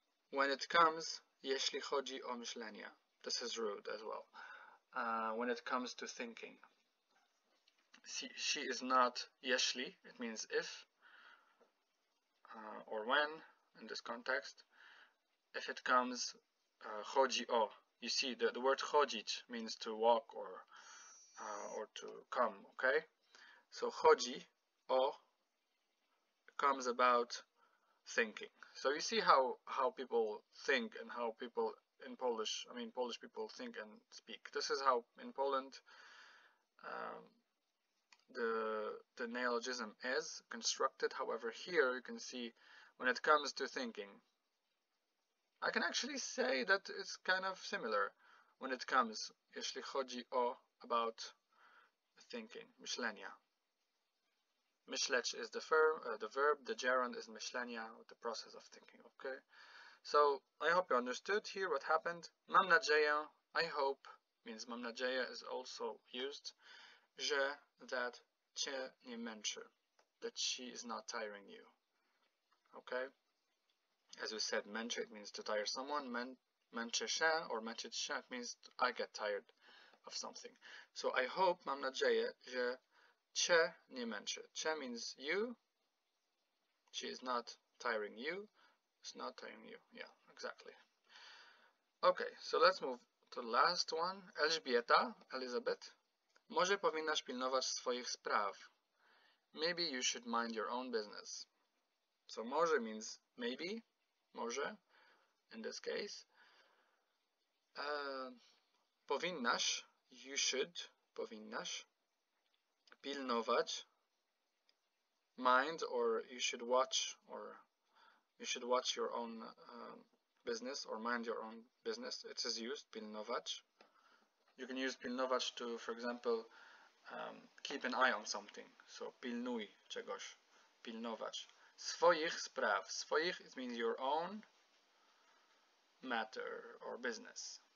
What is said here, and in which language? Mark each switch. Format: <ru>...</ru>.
<en>When it comes,</en> <pl>jeśli chodzi o myślenie.</pl> <en>This is rude as well. When it comes to thinking. She is not, jeśli, it means if, or when, in this context. If it comes, chodzi o. You see, the word chodzić means to walk or to come, okay? So chodzi o comes about thinking. So you see how people think and how people in Polish, I mean Polish people think and speak. This is how in Poland the neologism is constructed. However, here you can see when it comes to thinking, I can actually say that it's kind of similar when it comes, jeśli chodzi o, about thinking, myślenia. Myśleć is the verb, the gerund is myślenia, the process of thinking, okay? So, I hope you understood here what happened. Mam nadzieję, I hope, means mam nadzieję is also used, że, that, cię nie męczy, that she is not tiring you, okay? As we said, męczy, it means to tire someone. Męczy się, or męczyć się, means I get tired of something.</en> <pl>So, I hope, mam nadzieję, że cię nie męczy.</pl> <en>Cię means you. She is not tiring you. It's not tiring you. Yeah, exactly. Okay, so let's move to the last one. Elżbieta, Elizabeth.</en> <pl>Może powinnaś pilnować swoich spraw.</pl> <en>Maybe you should mind your own business. So, może means maybe. Może, in this case. Powinnaś, you should, powinnaś, pilnować, mind, or you should watch, or you should watch your own business, or mind your own business. It is used, pilnować. You can use pilnować to, for example, keep an eye on something.</en> <pl>So, pilnuj czegoś, pilnować. Swoich spraw.</pl> <en>Swoich, it means your own matter or business.</en>